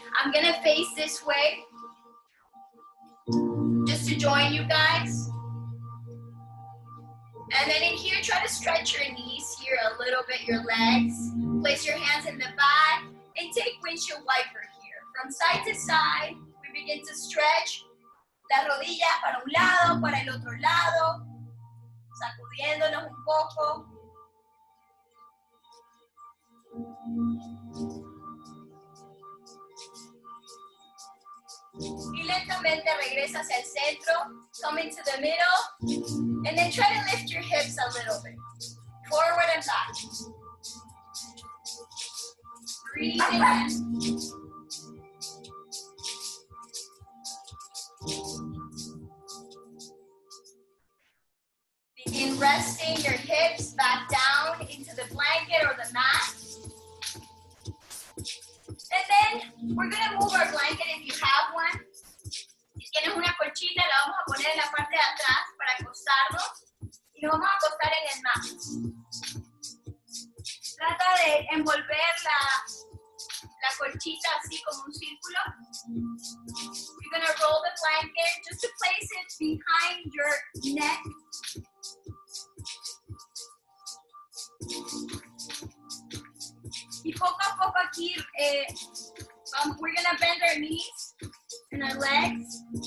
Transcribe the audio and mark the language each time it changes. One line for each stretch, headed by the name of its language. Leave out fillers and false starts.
English: I'm gonna face this way. Just to join you guys. And then in here, try to stretch your knees here a little bit, your legs. Place your hands in the back and take windshield wiper here. From side to side, we begin to stretch
Spanish: la rodilla para un lado, para el otro lado, sacudiéndonos un poco. Y lentamente regresa hacia el centro,
English: come into the middle, and then try to lift your hips a little bit. Forward and back. Breathe in. Begin resting your hips back down into the blanket or the mat. And then we're gonna move our blanket if you have one.
Spanish: Si tienes una colchita, la vamos a poner en la parte de atrás para acostarnos. Y nos vamos a acostar en el mat. Trata de envolver la colchita así como un círculo.
English: You're gonna roll the blanket just to place it behind your neck.
Spanish: Y poco a poco aquí,
English: we're gonna bend our knees and our legs.